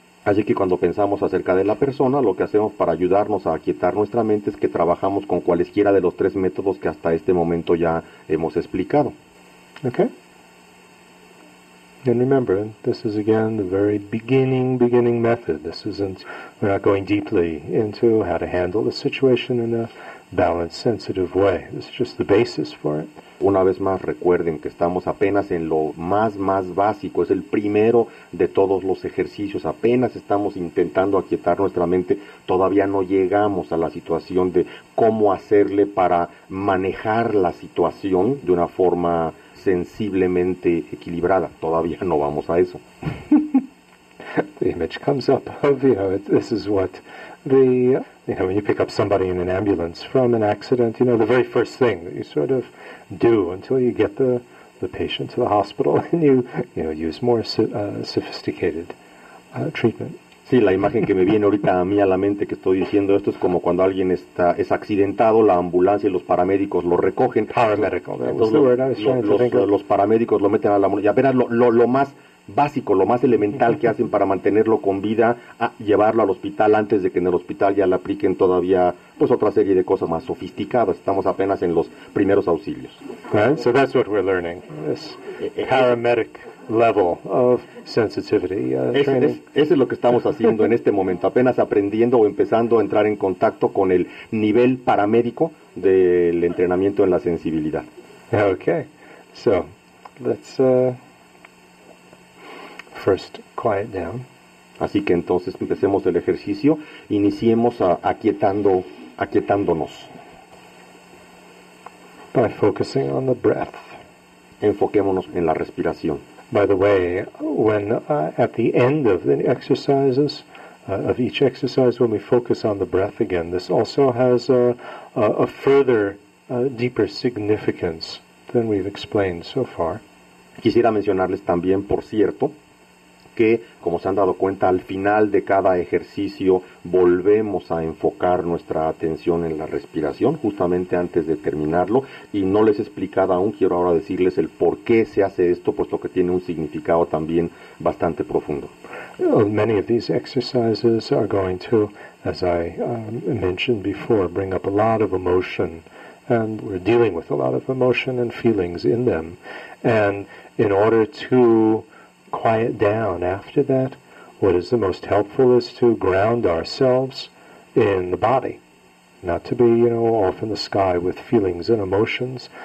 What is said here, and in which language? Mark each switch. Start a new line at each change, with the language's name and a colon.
Spanish: Así que cuando pensamos acerca de la persona, lo que hacemos para ayudarnos a aquietar nuestra mente es que trabajamos con cualesquiera de los tres métodos que hasta este momento ya hemos explicado.
English: Okay. And remember, this is again the very beginning method. This isn't, we're not going deeply into how to handle the situation in a balanced, sensitive way. It's just the basis for it.
Spanish: Una vez más, recuerden que estamos apenas en lo más básico, es el primero de todos los ejercicios. Apenas estamos intentando aquietar nuestra mente, todavía no llegamos a la situación de cómo hacerle para manejar la situación de una forma sensiblemente equilibrada. Todavía no vamos a eso.
English: The image comes up of, you know, this is what the, you know, when you pick up somebody in an ambulance from an accident, you know, the very first thing that you sort of do until you get the patient to the hospital and you know, use more sophisticated treatment.
Spanish: Sí, la imagen que me viene ahorita a mí a la mente que estoy diciendo esto es como cuando alguien es accidentado, la ambulancia y los paramédicos lo recogen.
English: Paramedical,
Spanish: los paramédicos lo meten a la ambulancia. Y apenas lo más básico, lo más elemental que hacen para mantenerlo con vida, a llevarlo al hospital antes de que en el hospital ya le apliquen todavía pues otra serie de cosas más sofisticadas. Estamos apenas en los primeros auxilios.
English: Right, so that's what we're learning, this paramedic level of sensitivity training.
Spanish: Eso es lo que estamos haciendo en este momento, apenas aprendiendo o empezando a entrar en contacto con el nivel paramédico del entrenamiento en la sensibilidad.
English: Okay, so let's first quiet down.
Spanish: Así que entonces empecemos el ejercicio, iniciemos aquietándonos.
English: By focusing on the breath.
Spanish: Enfoquémonos en la respiración.
English: By the way, when at the end of the exercises, of each exercise, when we focus on the breath again, this also has a further, deeper significance than we've explained so far.
Spanish: Quisiera mencionarles también, por cierto, que, como se han dado cuenta, al final de cada ejercicio volvemos a enfocar nuestra atención en la respiración, justamente antes de terminarlo, y no les he explicado aún, quiero ahora decirles el por qué se hace esto, puesto que tiene un significado también bastante profundo.
English: Well, many of these exercises are going to, as I mentioned before, bring up a lot of emotion, and we're dealing with a lot of emotion and feelings in them, and in order to quiet down after that, what is the most helpful is to ground ourselves in the body, not to be, you know, off in the sky with feelings and emotions.